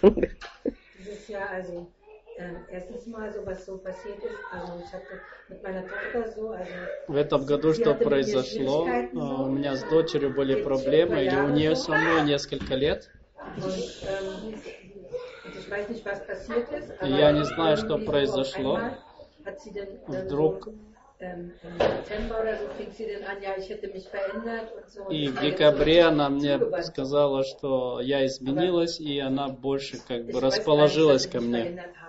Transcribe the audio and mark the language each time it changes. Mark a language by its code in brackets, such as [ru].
[de] Dieses Jahr, also, erstens mal so, was so passiert ist, also ich hatte mit meiner Tochter so, also [ru] в этом году что произошло, у меня с дочерью были проблемы, и у нее со мной несколько лет. [de] Ich weiß nicht, was passiert ist, aber [ru] я не знаю, что произошло. Вдруг и в декабре она мне сказала, что я изменилась, и она больше как бы расположилась ко мне.